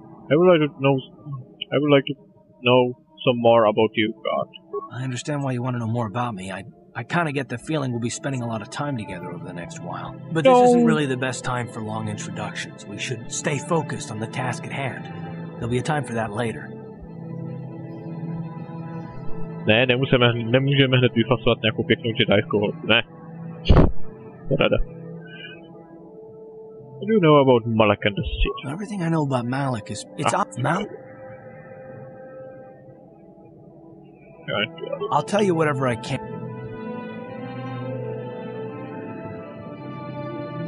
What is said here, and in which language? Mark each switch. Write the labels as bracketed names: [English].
[English] I would like to know some more about you, God. I understand why you want to know more about me. I kind of get the feeling we'll be spending a lot of time together over the next while. But this isn't really the best time for long introductions. We should stay focused on the task at hand. There'll be a time for that later. [Czech] Ne, nemůžeme hned vyfasovat nějakou pěknou jedajskou holku. Ne. Rada. [English] What do you know about Malak and the Sith? Everything I know about Malak is... it's up, Malak. I'll tell you whatever I can.